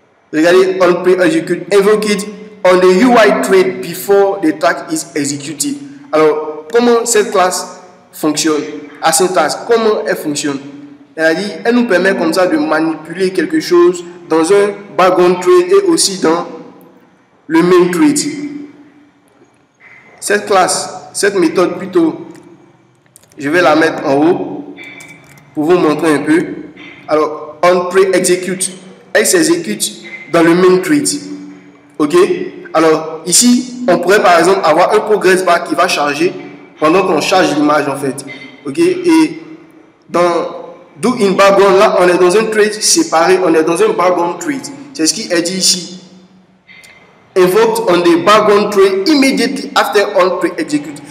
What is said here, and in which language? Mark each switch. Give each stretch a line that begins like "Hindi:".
English: Regardez, on pre-execute, invoked on the UI thread before the tag is executed.
French: Alors, comment cette classe fonctionne? À cette classe, comment elle fonctionne? Elle a dit, elle nous permet comme ça de manipuler quelque chose dans un background thread et aussi dans le main thread. Cette classe, cette méthode plutôt, je vais la mettre en haut pour vous montrer un peu. Alors, on pre-execute, elle s'exécute dans le main thread. Ok? Alors, ici, on pourrait par exemple avoir un progress bar qui va charger pendant qu'on charge l'image en fait. Ok? Et dans do in background, là, on est dans un thread séparé, on est dans un background thread. C'est ce qui est dit ici.
English: Invoked on the background thread immediately after on pre-execute.